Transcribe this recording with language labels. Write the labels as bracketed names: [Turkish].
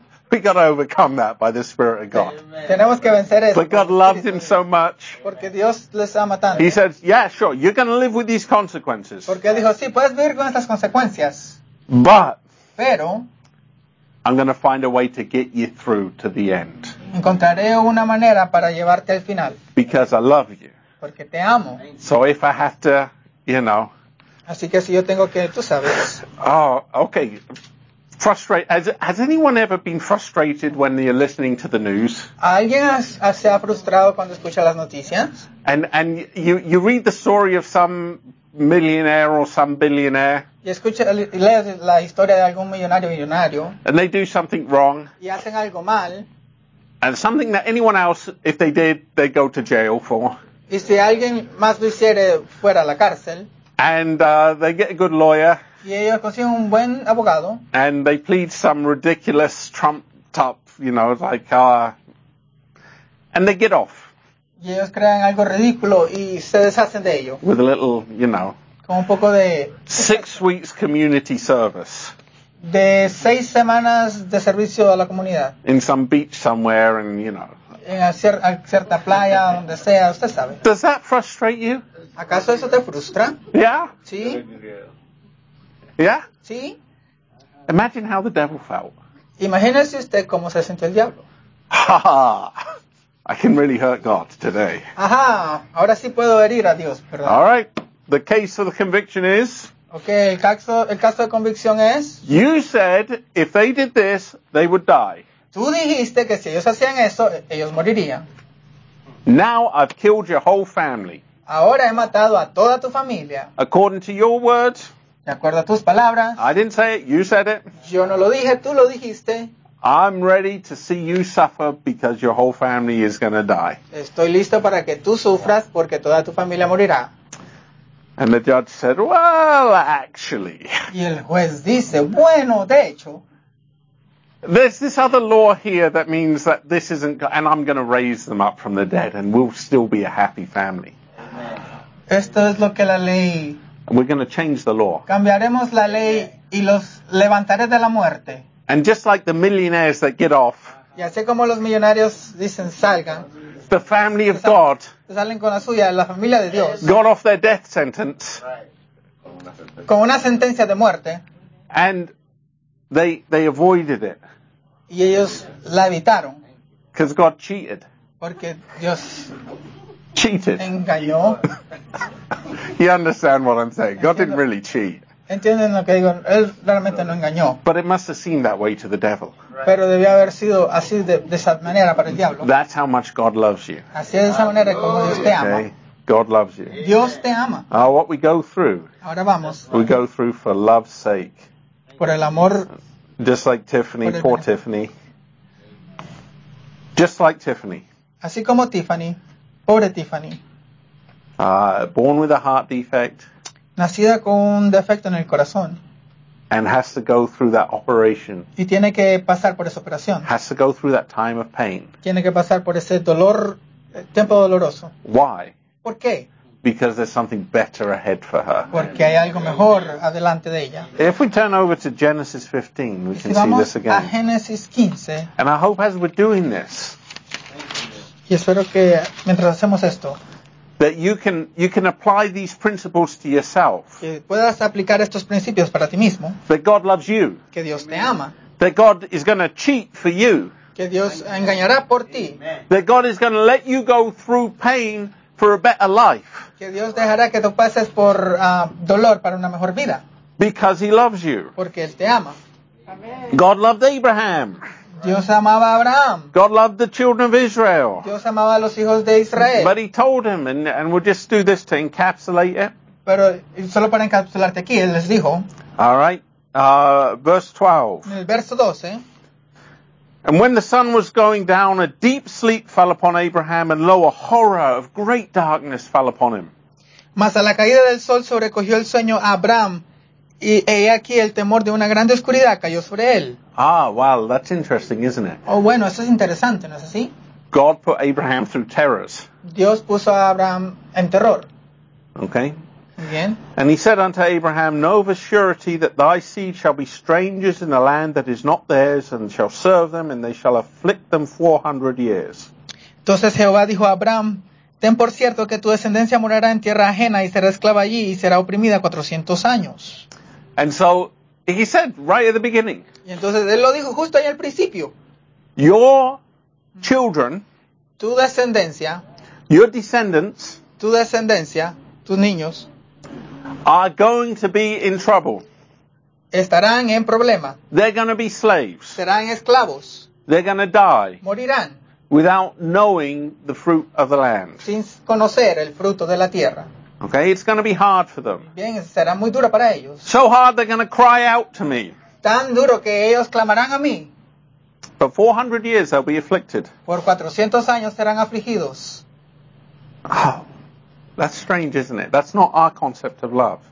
[English] We got to overcome that by the Spirit of God. [Spanish] Tenemos que vencer eso. [English] But God loves him so much. [Spanish] Porque Dios les ama tanto. [English] He says, yeah, sure, you're going to live with these consequences. [Spanish] Porque dijo, sí, puedes vivir con estas consecuencias. [English] But. [Spanish] Pero. [English] I'm going to find a way to get you through to the end. [Spanish] Encontraré una manera para llevarte al final. [English] Because I love you. [Spanish] Porque te amo. [English] So if I have to, you know. [Spanish] Así que si yo tengo que, tú sabes. [English] Oh, okay. Frustrated. Has anyone ever been frustrated when you're listening to the news? [Spanish] ¿Alguien se ha frustrado cuando escucha las noticias? [English] And you read the story of some millionaire or some billionaire. [Spanish] Y escucha, lees la historia de algún millonario o billonario. [English] And they do something wrong. [Spanish] Y hacen algo mal. [English] And something that anyone else, if they did, they'd go to jail for. [Spanish] Y si alguien más lo hiciera, fuera a la cárcel. [English] And they get a good lawyer. [Spanish] Y ellos consiguen un buen abogado. [English] And they plead some ridiculous trumped up, you know, like, and they get off. [Spanish] Y ellos crean algo ridículo y se deshacen de ello. [English] With a little, you know. [Spanish] Con un poco de. [English] 6 weeks community service. [Spanish] De 6 semanas de servicio a la comunidad. [English] In some beach somewhere and, you know. [Spanish] en cierta playa, donde sea, usted sabe. [English] Does that frustrate you? [Spanish] ¿Acaso eso te frustra? [English] Yeah. [Spanish] Sí. [English] Yeah. [Spanish] Sí. [English] Imagine how the devil felt. [Spanish] Imagínese usted cómo se sintió el diablo. [English] I can really hurt God today. [Spanish] Ajá, ahora sí puedo herir a Dios, perdón. [English] All right, the case of the conviction is... [Spanish] Okay, el caso de convicción es... [English] You said if they did this, they would die. [Spanish] Tú dijiste que si ellos hacían eso, ellos morirían. [English] Now I've killed your whole family. [Spanish] Ahora he matado a toda tu familia. [English] According to your words... [Spanish] De acuerdo a tus palabras... [English] I didn't say it, you said it. [Spanish] Yo no lo dije, tú lo dijiste... [English] I'm ready to see you suffer because your whole family is going to die. [Spanish] Estoy listo para que tú sufras porque toda tu familia morirá. [English] And the judge said, well, actually. [Spanish] Y el juez dice, bueno, de hecho. [English] There's this other law here that means that this isn't, and I'm going to raise them up from the dead and we'll still be a happy family. [Spanish] Esto es lo que la ley. [English] And we're going to change the law. [Spanish] Cambiaremos la ley y los levantaré de la muerte. [English] And just like the millionaires that get off, [Spanish] y así como los millonarios dicen, salgan, [English] the family of God [Spanish] salen con la suya, la familia de Dios, [English] got off their death sentence, [Spanish] con una sentencia de muerte, [English] and they avoided it. [Spanish] Y ellos la evitaron. [English] Because God cheated. [Spanish] Porque Dios [English] cheated. [Spanish] Engañó. [English] You understand what I'm saying? God didn't really cheat. [Spanish] ¿Entienden lo que digo? Él realmente no engañó. [English] But it must have seemed that way to the devil. [Spanish] Pero debió haber sido así de esa manera para el diablo. [English] That's how much God loves you. [Spanish] Así es de esa manera como Dios te ama. [English] Okay. God loves you. [Spanish] Dios te ama. [English] What we go through. [Spanish] Ahora vamos. [English] We go through for love's sake. [Spanish] Por el amor. [English] Just like Tiffany, poor Tiffany. Just like Tiffany. [Spanish] Así como Tiffany. Pobre Tiffany. [English] Born with a heart defect. [Spanish] Nacida con un defecto en el corazón. [English] And has to go through that operation. [Spanish] Y tiene que pasar por esa operación. [English] Has to go through that time of pain. [Spanish] Tiene que pasar por ese dolor, tiempo doloroso. [English] Why? [Spanish] ¿Por qué? [English] Because there's something better ahead for her. [Spanish] Porque hay algo mejor adelante de ella. [English] If we turn over to Genesis 15, we can see this again. [Spanish] A Génesis 15. [English] And I hope as we're doing this. [Spanish] Y espero que mientras hacemos esto. [English] That you can apply these principles to yourself. [Spanish] Que puedas aplicar estos principios para ti mismo. [English] That God loves you. [Spanish] Que Dios te ama. [English] That God is going to cheat for you. [Spanish] Que Dios engañará por ti. [English] That God is going to let you go through pain for a better life. [Spanish] Que Dios dejará que tú pases por dolor para una mejor vida. [English] Because He loves you. [Spanish] Porque Él te ama. [English] God loved Abraham. [Spanish] Dios amaba a Abraham. [English] God loved the children of Israel. [Spanish] Dios amaba a los hijos de Israel. [English] But he told him, and we'll just do this to encapsulate it. [Spanish] Pero solo para encapsularte aquí, él les dijo. [English] All right. Verse 12. [Spanish] Verso 12. [English] And when the sun was going down, a deep sleep fell upon Abraham, and lo, a horror of great darkness fell upon him. [Spanish] Mas a la caída del sol sobrecogió el sueño a Abraham, y he aquí el temor de una gran oscuridad cayó sobre él. [English] Ah, wow, that's interesting, isn't it? [Spanish] Oh, bueno, eso es interesante, ¿no es así? [English] God put Abraham through terrors. [Spanish] Dios puso a Abraham en terror. [English] Okay. [Spanish] Bien. [English] And he said unto Abraham, know of a surety that thy seed shall be strangers in a land that is not theirs, and shall serve them, and they shall afflict them 400 years. [Spanish] Entonces Jehová dijo a Abraham, ten por cierto que tu descendencia morará en tierra ajena, y será esclava allí, y será oprimida 400 años. [English] And so... He said right at the beginning. [Spanish] Y entonces él lo dijo justo ahí al principio. [English] Your children, [Spanish] tu descendencia, [English] your descendants, [Spanish] tu descendencia, tus niños, [English] are going to be in trouble. [Spanish] Estarán en problema. [English] They're going to be slaves. [Spanish] Serán esclavos. [English] They're going to die. [Spanish] Morirán. [English] Without knowing the fruit of the land. [Spanish] Sin conocer el fruto de la tierra. [English] Okay, it's going to be hard for them. [Spanish] Bien, será muy dura para ellos. [English] So hard they're going to cry out to me. [Spanish] Tan duro que ellos clamarán a mí. [English] For 400 years they'll be afflicted. [Spanish] Por 400 años serán afligidos. [English] Oh, that's strange, isn't it? That's not our concept of love.